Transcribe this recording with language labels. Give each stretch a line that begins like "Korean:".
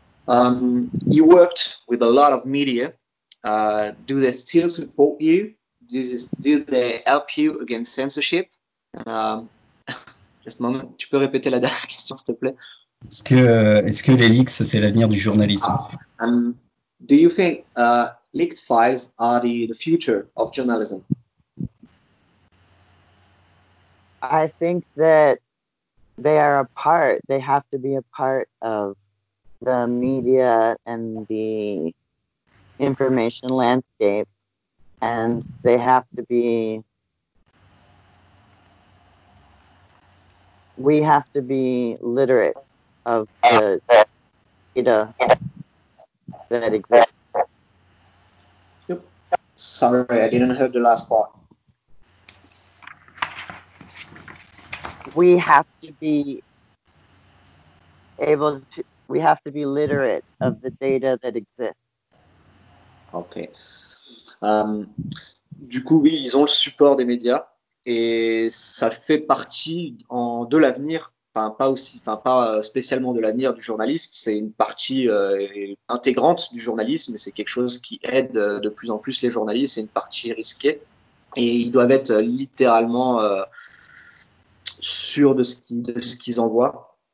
English: You worked with a lot of media. Do they still support you? Do they help you against censorship? Just a moment.
French: Tu peux répéter la dernière question, s'il te plaît? Est-ce que les leaks, c'est l'avenir du journalisme?
English: Do you think leaked files are the future of journalism? I think that they are a part. They have to be a part of the media and the information landscape, and they have to be, we have to be literate of the data that exists. Yep. Sorry, I didn't hear the last part. We have to be able to, we have to be literate of the data that exists. Ok.
French: Du coup, oui, ils ont le support des médias et ça fait partie de l'avenir, enfin pas aussi, enfin pas spécialement de l'avenir du journalisme. C'est une partie intégrante du journalisme. C'est quelque chose qui aide de plus en plus les journalistes. C'est une partie risquée et ils doivent être littéralement sûrs de ce qu'ils envoient.